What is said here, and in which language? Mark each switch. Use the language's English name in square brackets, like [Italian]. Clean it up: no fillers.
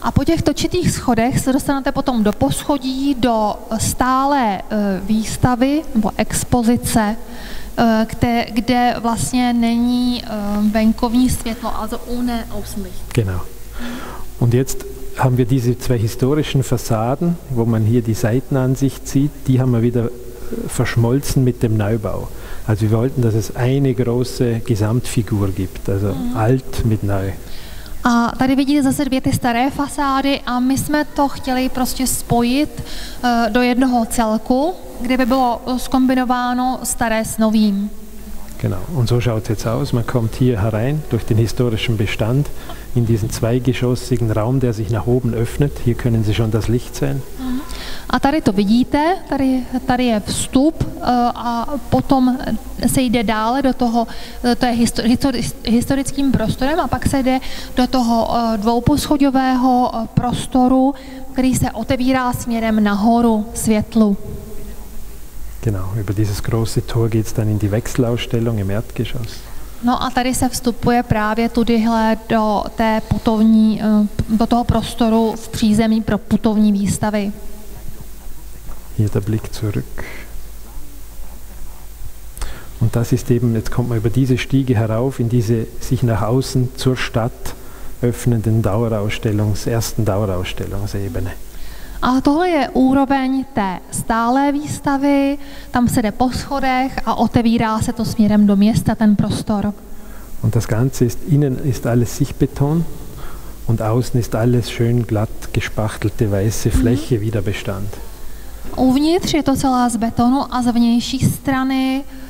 [Czech] A po těch točitých schodech se dostanete potom do poschodí, do stálé výstavy nebo expozice, kde vlastně není venkovní světlo, [German] also ohne Außenlicht. Genau. Und jetzt haben wir diese zwei historischen Fassaden, wo man hier die Seitenansicht sieht, die haben wir wieder verschmolzen mit dem Neubau. Also wir wollten, dass es eine große Gesamtfigur gibt, also alt mit neu. [Czech] A tady vidíte zase dvě ty staré fasády a my jsme to chtěli prostě spojit do jednoho celku, kde by bylo zkombinováno staré s novým. [German] Genau, und so schaut es jetzt aus. Man kommt hier herein durch den historischen Bestand in diesen zweigeschossigen Raum, der sich nach oben öffnet. Hier können Sie schon das Licht sehen. [Czech] A tady to vidíte, tady je vstup a potom se jde dále do toho, to je historickým prostorem a pak se jde do toho dvouposchodového prostoru, který se otevírá směrem nahoru světlu. [German] Genau, über dieses große Tor geht's dann in die Wechselausstellung im Erdgeschoss. [Czech] No a tady se vstupuje právě tudyhle do té putovní, do toho prostoru v přízemí pro putovní výstavy. [German] Hier der Blick zurück. Und das ist eben, jetzt kommt man über diese Stiege herauf, in diese sich nach außen zur Stadt öffnenden Dauerausstellungs, ersten Dauerausstellungsebene. [Czech] A tohle je úroveň té stálé výstavy, tam se jde po schodech a otevírá se to směrem do města, ten prostor. [German] Und das Ganze ist, innen ist alles Sichtbeton und außen ist alles schön glatt gespachtelte weiße Fläche, wieder Bestand. [Czech] Uvnitř je to celá z betonu a z vnější strany